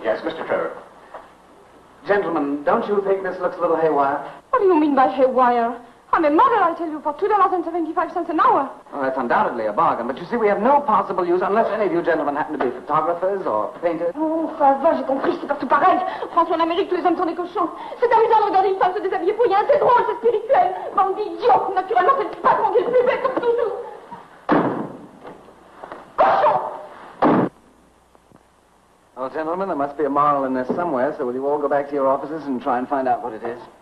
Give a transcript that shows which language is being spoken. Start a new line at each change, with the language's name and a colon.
English: Yes, Mr. Trevor. Gentlemen, don't you think this looks a little haywire? What do you mean by haywire? I'm a model, I tell you, for $2.75 an hour. Well, that's undoubtedly a bargain, but you see, we have no possible use unless any of you gentlemen happen to be photographers or painters.
French: Oh, faveur, j'ai compris, c'est partout pareil. François en Amérique, tous les hommes sont des cochons. C'est amusant de regarder une femme se déshabiller pour rien. C'est drôle, c'est spirituel. Bande d'idiot, naturellement, c'est le patron qui est le plus bête comme toujours. Cochon!
English: Well, gentlemen, there must be a moral in this somewhere, so will you all go back to your offices and try and find out what it is?